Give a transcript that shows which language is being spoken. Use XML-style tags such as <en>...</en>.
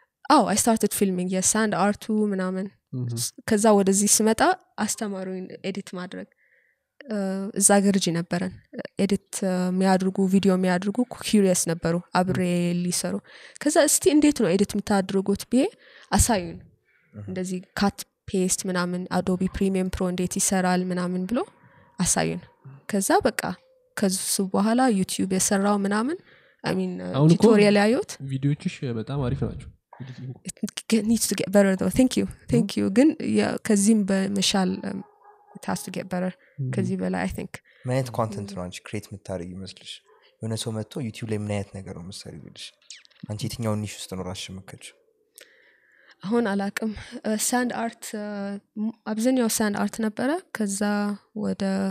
<am>አዎ አይ ስታርትድ ፊልሚንግ የስ አንድ አርቱ ምናምን ከዛ ወደዚህ ስመጣ አስተማሩኝ ኤዲት ማድረግ እዛ ገርጂ ነበረን ኤዲት የሚያድርጉ ቪዲዮ የሚያድርጉ ኩሪየስ ነበሩ አብሬ ሊሰሩ ከዛ እስቲ እንዴት ነው ኤዲት የምታድርጉት ብዬ አሳዩን እንደዚህ ካት ፔስት ምናምን አዶቢ ፕሪሚየም ፕሮ እንዴት ይሰራል ምናምን ብሎ አሳዩን ከዛ በቃ ከዚህ በኋላ ዩቲዩብ የሰራው ምናምን ቱቶሪያል ያዩት ቪዲዮዎችሽ በጣም አሪፍ ናቸው</am> <en>It needs to get better though. Thank you.</en> <am>ግን ከዚህም በመሻል</am> <en>it has to get better.</en> <am>ከዚህ በላይ</am> <en>I think.</en> <am>ምን አይነት ኮንተንት ነው አንቺ ክሬት የምታደርጊ ይመስልሽ? የሆነ ሰው መጥቶ ዩቲዩብ ላይ ምን አይነት ነገር ነው መሰሪ ይልሽ? አንቺ የትኛውን ኒሽ ውስጥ ነው ራስሽ መከች? አሁን አላቅም. ሳንድ አርት አብዛኛው ሳንድ አርት ነበረ. ከዛ ወደ</am>